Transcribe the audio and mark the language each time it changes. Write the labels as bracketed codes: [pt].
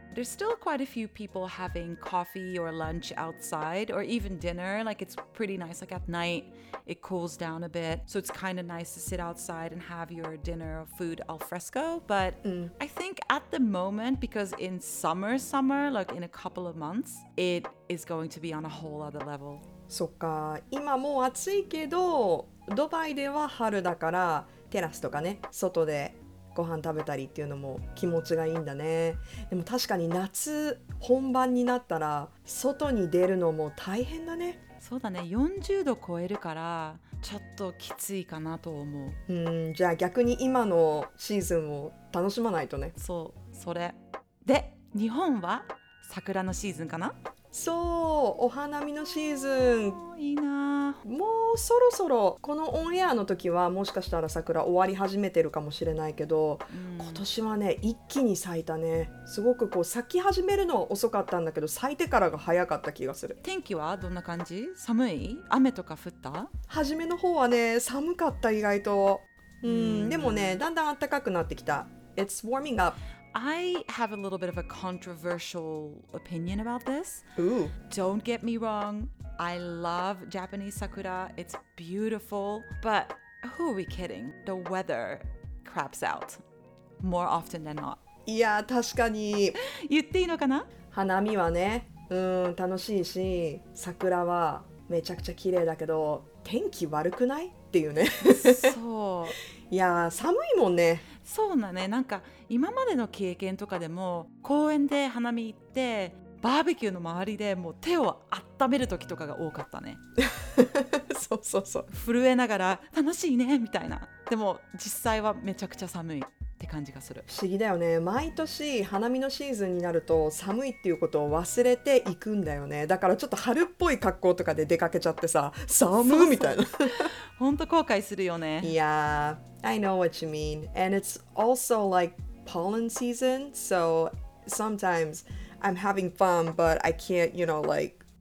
[en] There's still quite a few people having coffee or lunch outside or even dinner. Like it's pretty nice. Like at night, it cools down a bit. So it's kind of nice to sit outside and have your dinner or food al fresco. But I think at the moment, because in summer, like in a couple of months, it is going to be on a whole other level. [ja] そっか。今もう暑いけど、ドバイでは春だからテラスとかね、外で。ご飯食べたりっていうのも気持ちがいいんだね。でも確かに夏本番になったら外に出るのも大変だね。そうだね、40度超えるからちょっときついかなと思う。じゃあ逆に今のシーズンを楽しまないとね。そう、それで日本は桜のシーズンかな。そう、お花見のシーズン。いいな。もうそろそろ、このオンエアの時はもしかしたら桜終わり始めてるかもしれないけど、今年はね、一気に咲いたね。すごくこう咲き始めるのは遅かったんだけど、咲いてからが早かった気がする。天気はどんな感じ？寒い？雨とか降った？初めの方はね、寒かった意外と。でもね、だんだん暖かくなってきた。 [en] It's warming up I have a little bit of a controversial opinion about this. Ooh. Don't get me wrong. I love Japanese sakura. It's beautiful. But who are we kidding? The weather craps out more often than not. [ja] いや、確かに。言っていいのかな？花見はね、楽しいし、桜はめちゃくちゃ綺麗だけど、天気悪くない？っていうね。そう。いや、寒いもんね。そうだね、なんか今までの経験とかでも公園で花見行ってバーベキューの周りでもう手を温める時とかが多かったね。そうそうそう、震えながら楽しいねみたいな。でも実際はめちゃくちゃ寒いって感じがする。不思議だよね、毎年花見のシーズンになると寒いっていうことを忘れていくんだよね。だからちょっと春っぽい格好とかで出かけちゃってさ、寒いみたいな。本当後悔するよね。 [en] いやー、I know what you mean. And it's also like pollen season, so sometimes I'm having fun, but I can't, you know, like...